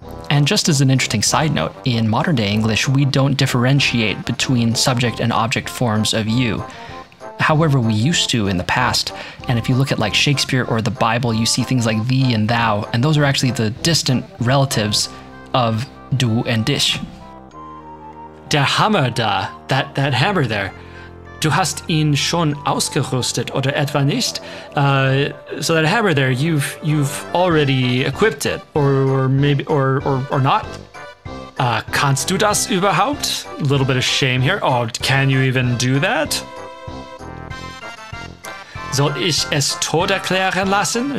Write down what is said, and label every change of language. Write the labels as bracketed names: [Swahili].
[English] And just as an interesting side note, in modern day English, we don't differentiate between subject and object forms of you. However, we used to in the past, and if you look at like Shakespeare or the Bible, you see things like thee and thou, and those are actually the distant relatives of du and dich. [German] Der Hammer da, [English] that hammer there. [German] Du hast ihn schon ausgerüstet oder etwa nicht? [English] So that hammer there, you've already equipped it, or maybe not. [German] Kannst du das überhaupt? [English] A little bit of shame here. Oh, can you even do that? [German] Soll ich es Toad erklären lassen?